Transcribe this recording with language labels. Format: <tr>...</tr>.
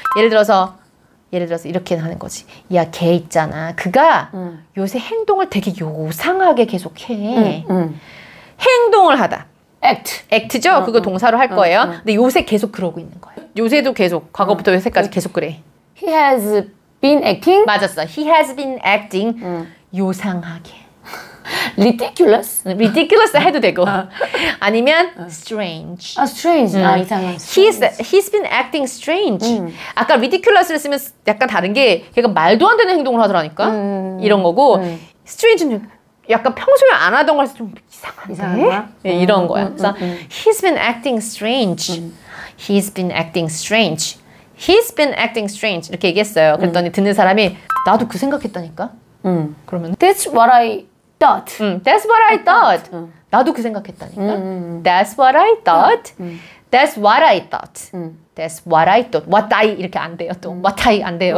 <ko>예를 들어서 이렇게 하는 거지. 야, 걔 있잖아. 그가 요새 행동을 되게 요상하게 계속해. 행동을 하다.</ko> <en>act죠?</en> <ko>그거 동사로 할 거예요. 근데 요새 계속 그러고 있는 거예요. 요새도 계속, 과거부터 요새까지 계속 그래.</ko> <en>He has been acting?</en> <ko>맞았어.</ko> <en>He has been acting</en> <ko>요상하게.</ko> <en>Ridiculous?</en> <ko>Ridiculous 해도 되고. 아니면 strange.</ko> <en>Strange.</en> <ko>이상해.</ko> <en>He's been acting strange.</en> <ko>아까 ridiculous를 쓰면 약간 다른 게 걔가 말도 안 되는 행동을 하더라니까. 이런 거고. Strange는 약간 평소에 안 하던 걸 좀 이상한데? 네, 이런 거야. 그래서</ko> <en>He's been acting strange. He's been acting strange. He's been acting strange.</en> <ko>이렇게 얘기했어요. 그랬더니 듣는 사람이 나도 그 생각했다니까? 그러면</ko> <en>That's what I thought. That's what I thought.</en> <ko>나도 그 생각했다니까?</ko> <en>That's what I thought. That's what I thought. That's what I thought.</en> <ko>What I 이렇게 안 돼요. 또 What I 안 돼요.</ko>